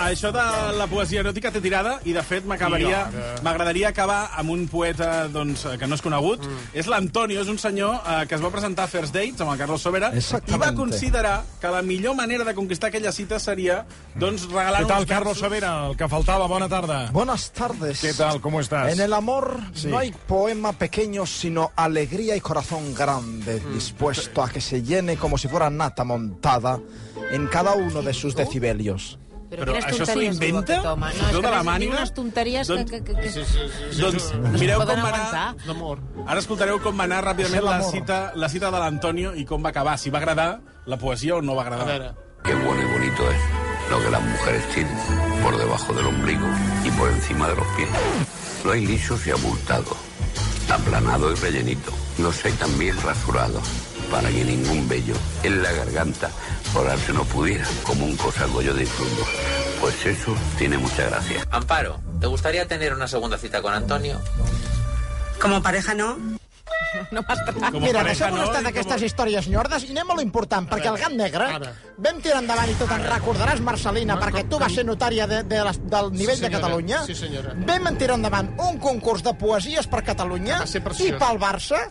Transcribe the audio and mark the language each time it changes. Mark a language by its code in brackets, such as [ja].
[ca] Això de la poesia eròtica té tirada i, de fet, m'agradaria acabar amb un poeta doncs, que no és conegut. És l'Antonio, és un senyor que es va presentar a First Dates amb el Carlos Sobera i va considerar que la millor manera de conquistar aquella cita seria doncs, regalar-nos... Què tal, Carlos Sobera, el que faltava? Bona tarda. [es] Buenas tardes. [ca] Què tal, com estàs? [es] En el amor no hay poema pequeño, sino alegría y corazón grande, dispuesto a que se llene como si fuera nata montada en cada uno de sus decibelios. [ca] Però això s'ho inventa? No, és que diuen unes tonteries Doncs mireu com va anar... Ara escoltareu com va anar ràpidament la cita de l'Antonio i com va acabar, si va agradar la poesia o no va agradar. [es] Qué bueno y bonito es lo que las mujeres tienen por debajo del ombligo y por encima de los pies. Lo hay lisos y abultados, aplanado y rellenito. No sé, también rasurado, para que ningún vello en la garganta orarse no pudiera, como un cosalgo yo disfruto. Pues eso tiene mucha gracia. Amparo, ¿te gustaría tener una segunda cita con Antonio? ¿Como pareja, no? No. [ca] Mira, deixem-nos no, estar d'aquestes com... històries nyordes i anem a lo important, perquè el gat negre vam tirar endavant i tu te'n recordaràs, Marcelina, perquè tu vas ser notària del nivell sí, de Catalunya. Sí, senyora. Vam tirar endavant un concurs de poesies per Catalunya i pel Barça.